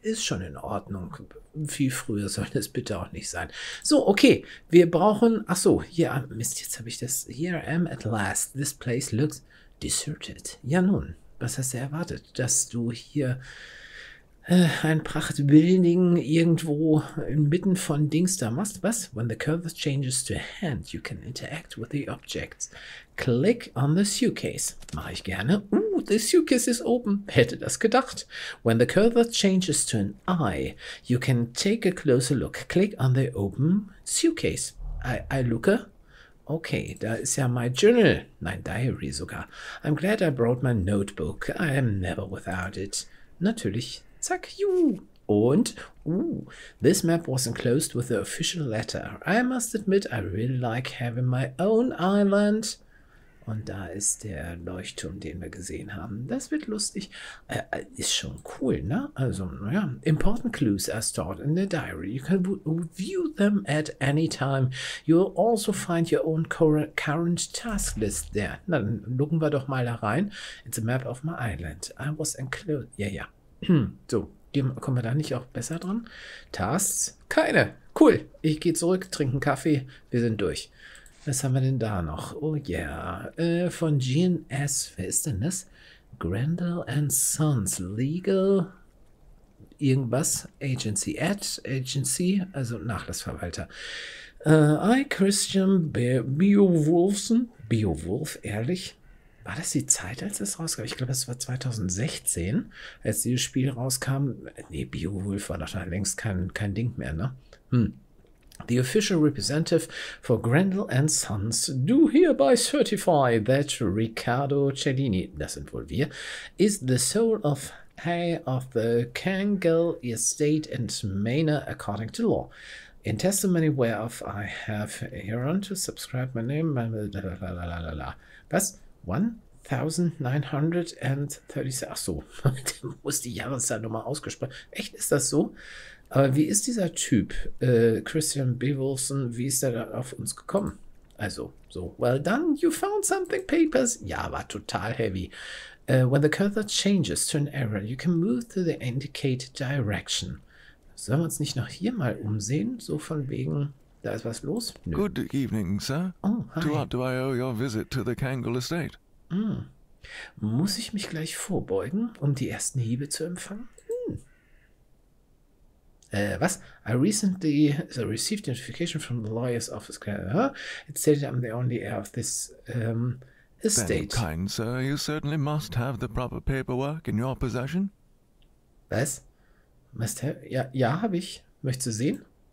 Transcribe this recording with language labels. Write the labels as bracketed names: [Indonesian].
[German] Ist schon in Ordnung. Viel früher soll das bitte auch nicht sein. So, okay. Wir brauchen. Ach so, ja, Mist, jetzt habe ich das. [English] Here I am at last. This place looks deserted. [German] Ja nun, was hast du erwartet, dass du hier ein Prachtbuilding irgendwo inmitten von Dings da machst? Was? [English] When the curve changes to hand, you can interact with the objects. Click on the suitcase. [German] Mache ich gerne. [English] The suitcase is open. [German] Hätte das gedacht. [English] When the curve changes to an eye, you can take a closer look. Click on the open suitcase. I look a. [German] Okay, da ist ja [English] my journal. [German] Mein Diary sogar. [English] I'm glad I brought my notebook. I am never without it. [German] Natürlich. Zack, juhu. [English] Und, this map was enclosed with the official letter. I must admit, I really like having my own island. [German] Und da ist der Leuchtturm, den wir gesehen haben. Das wird lustig. Ist schon cool, ne? Also, naja. [English] Important clues are stored in the diary. You can view them at any time. You'll also find your own current task list there. [German] Na, dann gucken wir doch mal da rein. [English] It's a map of my island. I was enclosed. [German] Ja, ja. So, kommen wir da nicht auch besser dran? Tasks? Keine. Cool. Ich gehe zurück, trinke einen Kaffee. Wir sind durch. Was haben wir denn da noch? Oh ja. Yeah. Von GNS. Wer ist denn das? [English] Grendel and Sons. Legal. Irgendwas. Agency. Ad. Agency. [German] Also Nachlassverwalter. I, Christian Beowulfson. Beowulf, ehrlich. War das die Zeit, als es rauskam? Ich glaube, es war 2016, als dieses Spiel rauskam. Nee, Beowulf war doch längst kein Ding mehr, ne? [English] The official representative for Grendel and Sons do hereby certify that Riccardo Cellini, [German] das sind wohl wir, [English] is the sole of heir of the Cangel Estate and Manor according to law. In testimony whereof I have hereunto subscribed my name. [German] Was? 1936. Ach so, der muss die Jahreszahl nochmal ausgesprochen. Echt, ist das so? Aber wie ist dieser Typ, Christian Beowulfson, wie ist der da auf uns gekommen? [English] Also, so, well done, you found something, papers. [German] Ja, war total heavy. [English] When the cursor changes to an error, you can move to the indicated direction. [German] Sollen wir uns nicht noch hier mal umsehen? So von wegen. Da ist was los. [English] Nö. Good evening, sir. Oh, hi. To what do I owe your visit to the Cangel Estate? [German] Muss ich mich gleich vorbeugen, um die ersten Hiebe zu empfangen? Was? [English] I recently received a notification from the lawyer's office. It said I'm the only heir of this estate. Very kind, sir. You certainly must have the proper paperwork in your possession. [German] Was? [English] Must have? [German] Ja, habe ich. Möchtest du sehen?